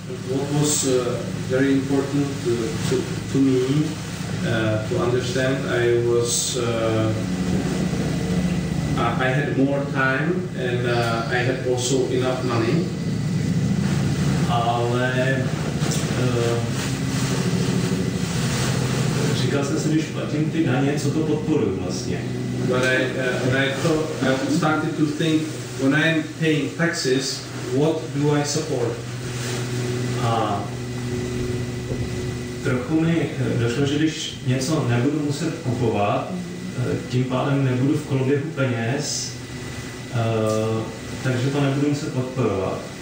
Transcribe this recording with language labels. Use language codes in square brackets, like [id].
[en] What was very important to me to understand, I was I had more time and I had also enough money. [cs] Ale říkal jsem si, když platím ty daně, co to podporuji vlastně. [en] But I started to think, when I am paying taxes, what do I support? [cs] A trochu mi došlo, že když něco nebudu muset kupovat, tím pádem nebudu v koloběhu peněz, takže to nebudu muset podporovat.